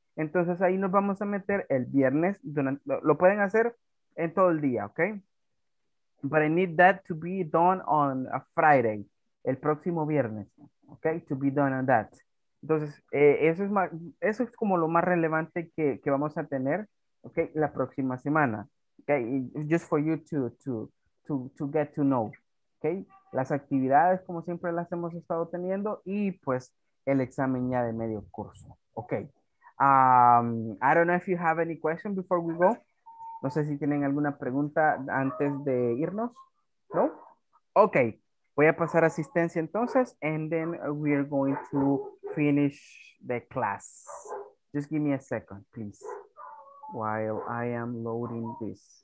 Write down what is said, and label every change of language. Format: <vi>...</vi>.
<es>Entonces ahí nos vamos a meter el viernes, durante, lo pueden hacer en todo el día, ok?</es> <en>But I need that to be done on a Friday,</en> <es>el próximo viernes,</es> <en>ok? To be done on that.</en> <es>Entonces, eso es como lo más relevante que vamos a tener, ok? La próxima semana, ok?</es> <en>Just for you to get to know, ok?</en> <es>Las actividades, como siempre las hemos estado teniendo, y pues el examen ya de medio curso, ok?</es> <en>I don't know if you have any question before we go.</en> <es>No sé si tienen alguna pregunta antes de irnos. ¿No? Ok. Voy a pasar asistencia entonces,</es> <en>and then we are going to finish the class. Just give me a second, please, while I am loading this.</en>